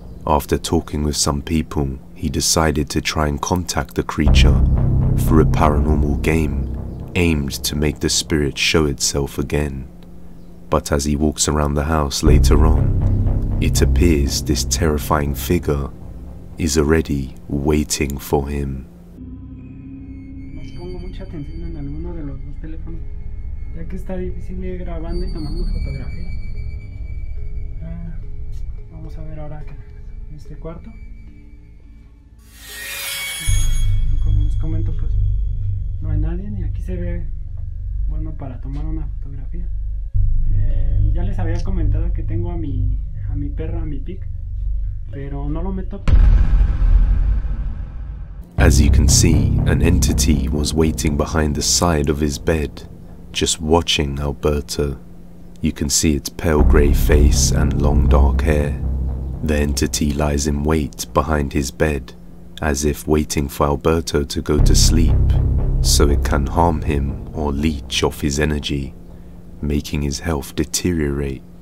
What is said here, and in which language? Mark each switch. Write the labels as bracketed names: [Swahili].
[English] After talking with some people, he decided to try and contact the creature for a paranormal game aimed to make the spirit show itself again. But as he walks around the house later on, it appears this terrifying figure is already waiting for him. [Spanish] Me pongo mucha que encendan alguno de los dos teléfonos, ya que está difícil ir grabando y tomando fotografía. Vamos a ver ahora acá, en este cuarto. Como les comento, pues no hay nadie, ni aquí se ve bueno para tomar una fotografía. Ya les había comentado que tengo a mi perro, a mi pig, pero no lo meto. [English] As you can see, an entity was waiting behind the side of his bed, just watching Alberto. You can see its pale grey face and long dark hair. The entity lies in wait behind his bed, as if waiting for Alberto to go to sleep, so it can harm him or leech off his energy, making his health deteriorate.